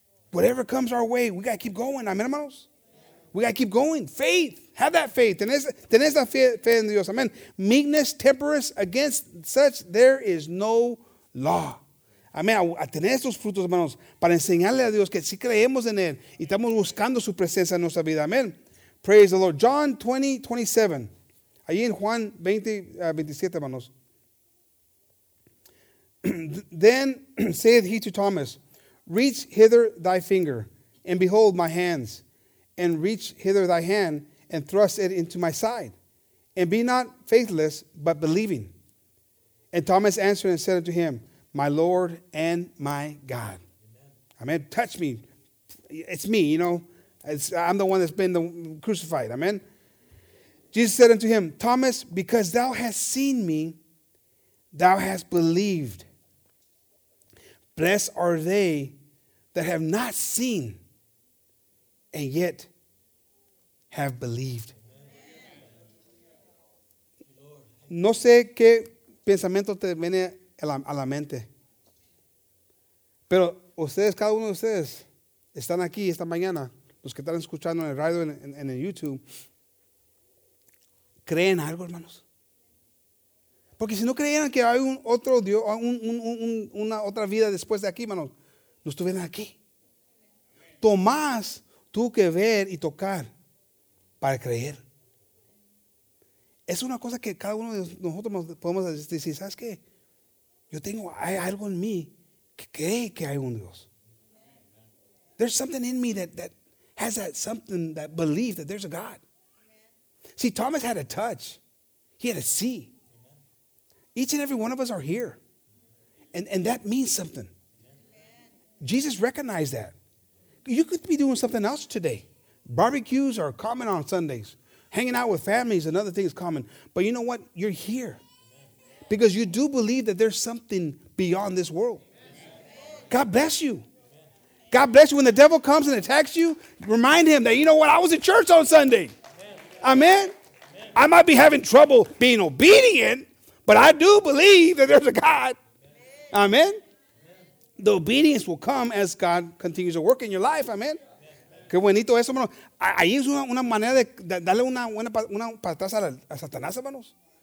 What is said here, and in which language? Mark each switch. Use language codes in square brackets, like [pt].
[en] Whatever comes our way, we got to keep going. Amen, hermanos? We got to keep going. Faith. Have that faith. [es] Tenés la fe en Dios. [en] Amen. Meekness, temperance, against such there is no law. [es] Amén, a tener estos frutos, hermanos, para enseñarle a Dios que sí creemos en Él y estamos buscando su presencia en nuestra vida. Amén. [en] Praise the Lord. John 20, 27. [es] Ahí en Juan 20:27, hermanos. [en] Then saith he to Thomas, reach hither thy finger, and behold my hands, and reach hither thy hand, and thrust it into my side, and be not faithless, but believing. And Thomas answered and said unto him, my Lord and my God. Amen. Amen. Touch me. It's me, you know. I'm the one that's been crucified. Amen. Jesus said unto him, Thomas, because thou hast seen me, thou hast believed. Blessed are they that have not seen and yet have believed. [es] No sé qué pensamiento te viene a la mente. Pero ustedes, cada uno de ustedes, están aquí esta mañana, los que están escuchando en el radio, en el YouTube, ¿creen algo, hermanos? Porque si no creyeran que hay un otro Dios, una otra vida después de aquí, hermanos, no estuvieran aquí. Tomás tuvo que ver y tocar para creer. Es una cosa que cada uno de nosotros podemos decir, ¿sabes qué? Yo tengo, hay algo en mí que cree que hay un Dios. [en] There's something in me that has that something, that belief that there's a God. See, Thomas had a touch. He had a see. Each and every one of us are here. And that means something. Jesus recognized that. You could be doing something else today. Barbecues are common on Sundays. Hanging out with families and other things common. But you know what? You're here. Because you do believe that there's something beyond this world. God bless you. God bless you. When the devil comes and attacks you, remind him that, you know what? I was in church on Sunday. Amen. I might be having trouble being obedient, but I do believe that there's a God. Amen. The obedience will come as God continues to work in your life. [es] Amen. Qué bonito eso, hermano. Ahí es una manera de darle una para atrás a Satanás, hermanos.